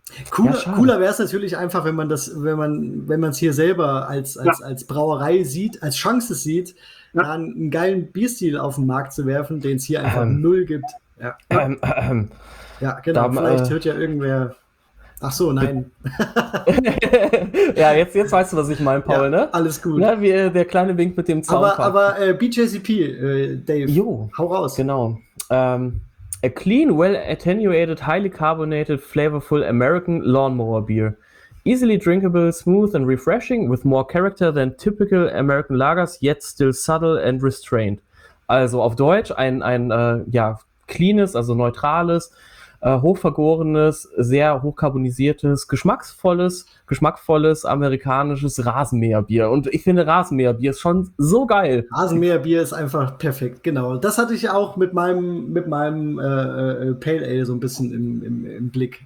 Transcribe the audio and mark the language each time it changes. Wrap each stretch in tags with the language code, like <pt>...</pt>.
<de>Cooler wäre es natürlich einfach, wenn man es hier selber als Brauerei sieht, als Chance sieht, dann einen geilen Bierstil auf den Markt zu werfen, den es hier einfach null gibt. Ja, genau. Dann, vielleicht hört ja irgendwer. Ach so, nein. Ja, jetzt weißt du, was ich meine, Paul, ne? Alles gut. Na, wie, der kleine Wink mit dem Zaunpfahl. Aber BJCP, Dave. Jo. Hau raus. Genau.</de> <en>A clean, well attenuated, highly carbonated, flavorful American lawnmower beer. Easily drinkable, smooth and refreshing, with more character than typical American Lagers, yet still subtle and restrained.</en> <de>Also auf Deutsch ein cleanes, also neutrales, hochvergorenes, sehr hochkarbonisiertes, geschmackvolles amerikanisches Rasenmäherbier. Und ich finde Rasenmäherbier ist schon so geil. Rasenmäherbier ist einfach perfekt, genau. Das hatte ich auch mit meinem Pale Ale so ein bisschen im Blick.</de>